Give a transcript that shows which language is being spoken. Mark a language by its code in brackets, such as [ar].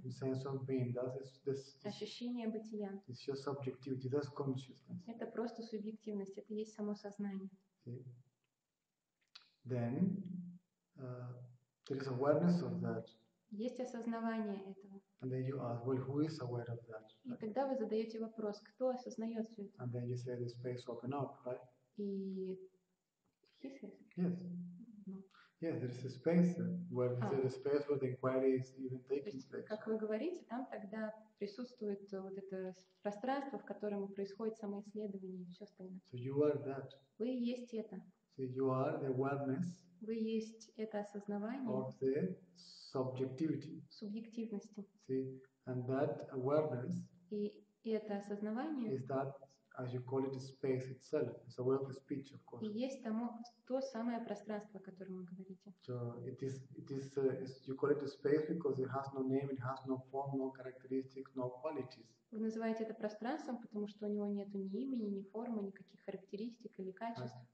[en] The sense of being. That's [ru] ощущение бытия. [en] It's your subjectivity. That's consciousness. [ru] Это просто субъективность. Это есть само сознание. [en] See? Then there is awareness of that. [ru] Есть осознавание этого. [en] And then you ask, well, who is aware of that? [ru] И тогда вы задаете вопрос, кто осознает все это? [en] And then you say the space open up, right? [ru] И [en] he says. Yes. Yeah, there is a space where there is a space where the inquiry is even taking place. [ru] Как вы говорите, там тогда присутствует вот это пространство, в котором происходит самоисследование и все остальное. [en] So you are that. [ru] Вы есть это. [en] So you are the awareness. [ru] Вы есть это осознавание. [en] Of the subjectivity. [ru] Субъективности. [en] See, and that awareness. [ru] И это осознавание. [en] Is that, as you call it, the space itself. It's a way of speech, of course. [ru] И есть тому, то самое пространство, о котором вы говорите. [en] So it is you call it a space because it has no name, it has no form, no characteristics, no qualities. [ru] Вы называете это пространством, потому что у него нету ни имени, ни формы, никаких характеристик или качеств.